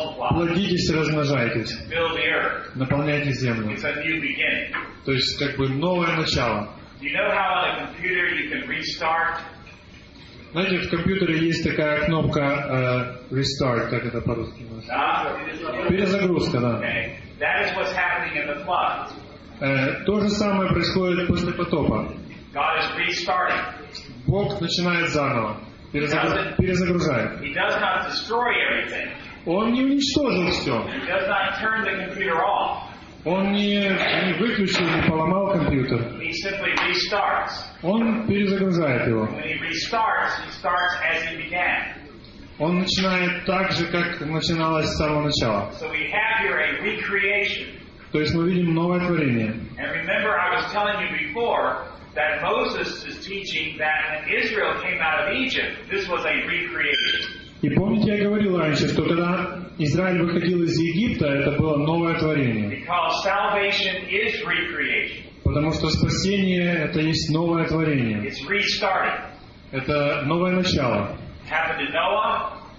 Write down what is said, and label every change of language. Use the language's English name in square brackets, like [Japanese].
[Russian] Плодитесь и размножайтесь. Наполняйте землю. [English] It's a new beginning. [Russian] То есть, как бы, новое начало. [English] Do you know how on a computer you can restart? [Russian] Знаете, в компьютере есть такая кнопка restart, как это по-русски называется? Перезагрузка, да. [English] That is what's happening in the flood. [Russian] То же самое происходит после потопа. [English] God is restarting. [Russian] Бог начинает заново. Перезагружает. [English] He does not destroy everything. [Russian] Он не уничтожил все. [English] He does not turn the computer off. [Russian] Он не выключил, не поломал компьютер. [English] He simply restarts. [Russian] Он перезагружает его. [English] When he restarts, he starts as he began. [Russian] Он начинает так же, как начиналось с самого начала. [English] So we have here a recreation. [Russian] То есть мы видим новое творение. [English] And remember, I was telling you before that Moses is teaching that when Israel came out of Egypt, this was a recreation. [Russian] И помните, я говорил раньше, что когда Израиль выходил из Египта, это было новое творение. [English] Because salvation is recreation. [Russian] Потому что спасение — это есть новое творение. [English] It's restarting. [Russian] Это новое начало. [English] Happened in Noah.